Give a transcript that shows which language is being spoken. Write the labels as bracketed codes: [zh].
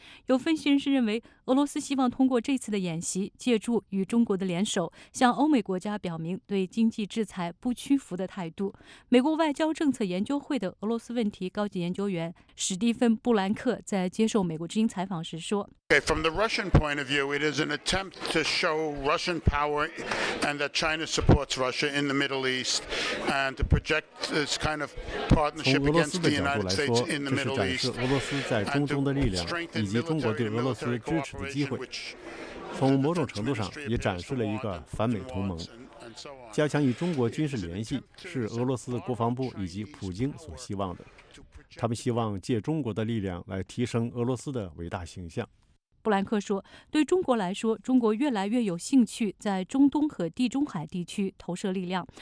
[zh] 有分析人士认为，俄罗斯希望通过这次的演习，借助与中国的联手，向欧美国家表明对经济制裁不屈服的态度。美国外交政策研究会的俄罗斯问题高级研究员史蒂芬·布兰克在接受美国之音采访时说 [en] okay, From the Russian point of view, it is an attempt to show Russian power and that China supports Russia in the Middle East and to project this kind of partnership against the United States in the Middle East. [zh] 从俄罗斯的角度来说，这是展示俄罗斯在中东的力量以及中国对俄罗斯支持的机会，从某种程度上也展示了一个反美同盟。加强与中国军事联系是俄罗斯国防部以及普京所希望的，他们希望借中国的力量来提升俄罗斯的伟大形象。布兰克说，对中国来说，中国越来越有兴趣在中东和地中海地区投射力量。